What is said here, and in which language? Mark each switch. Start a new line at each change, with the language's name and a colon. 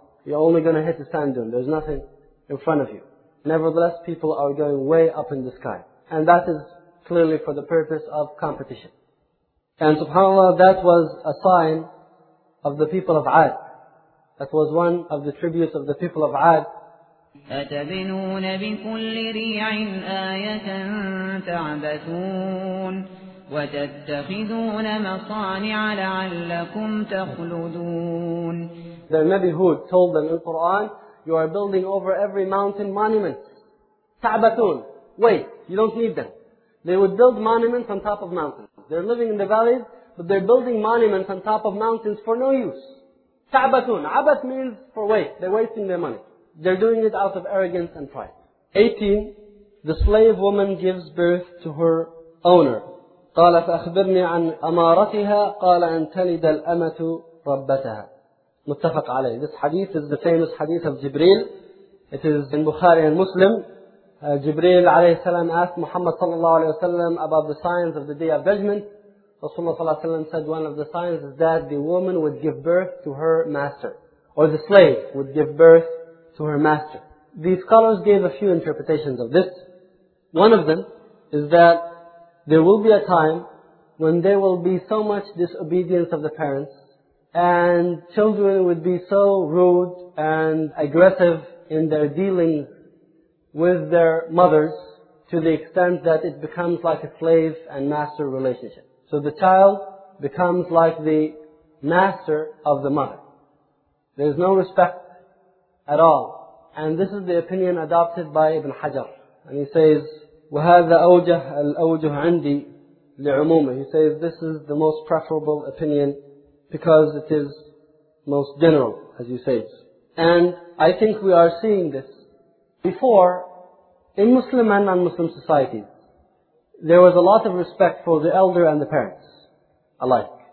English: You're only going to hit the sand dune. There's nothing in front of you. Nevertheless, people are going way up in the sky. And that is clearly for the purpose of competition. And subhanAllah, that was a sign of the people of Ad. That was one of the tributes of the people of Ad.
Arabic: أتبنون بكل ريع آية تعبثون وتتخذون مصانع لعلكم تخلدون.
English: The Nabi Hud told them in Quran, you are building over every mountain monuments. Ta'batun. Wait, you don't need them. They would build monuments on top of mountains. They're living in the valleys, but they're building monuments on top of mountains for no use. Ta'batun. Abath means for waste. They're wasting their money. They're doing it out of arrogance and pride. 18. The slave woman gives birth to her owner.
Arabic: قال فأخبرني عن أمارتها قال أن تلد الأمة ربتها. متفق عليه.
English: This hadith is the famous hadith of Jibreel. It is in Bukhari and Muslim. Jibreel
Arabic: عليه السلام
English: asked Muhammad
Arabic: صلى الله عليه وسلم
English: about the signs of the Day of Judgment. Rasulullah
Arabic: صلى الله عليه وسلم
English: said one of the signs is that the woman would give birth to her master, or the slave would give birth to her master. The scholars gave a few interpretations of this. One of them is that there will be a time when there will be so much disobedience of the parents, and children would be so rude and aggressive in their dealings with their mothers to the extent that it becomes like a slave and master relationship. So the child becomes like the master of the mother. There's no respect at all. And this is the opinion adopted by Ibn Hajar. And he says,
Arabic: وَهَذَا أَوْجَهَ الْأَوْجُهُ عَنْدِي لِعُمُومِهِ.
English: He says, this is the most preferable opinion because it is most general, as you say. And I think we are seeing this. Before, in Muslim and non-Muslim societies, there was a lot of respect for the elder and the parents alike.